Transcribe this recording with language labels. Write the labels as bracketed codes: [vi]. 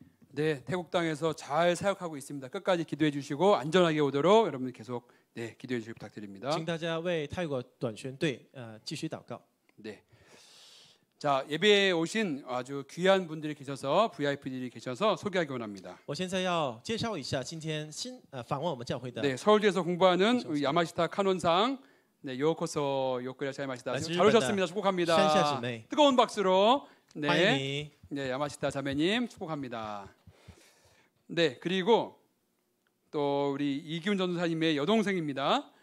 [ko] 네, 태국 땅에서 잘 사역하고 있습니다. 끝까지 기도해 주시고 안전하게 오도록 여러분 계속 네, 기도해 주시기 부탁드립니다. [zh] 请大家为泰国短宣队继续祷告. [ko] 네. 자, 예배에 오신 아주 귀한 분들이 계셔서 VIP들이 계셔서 소개하기 원합니다. [zh] 我现在要介绍一下今天访问我们教会的. [ko] 네, 서울대에서 공부하는 야마시타 칸원상 네, 요코소 요코야 자이마시타. 잘 오셨습니다. 축복합니다. 뜨거운 박수로 [zh] 네. 欢迎你. [ko] 네, 야마시타 자매님 축복합니다. 네, 그리고 또 우리 이기훈 전도사님의 여동생입니다.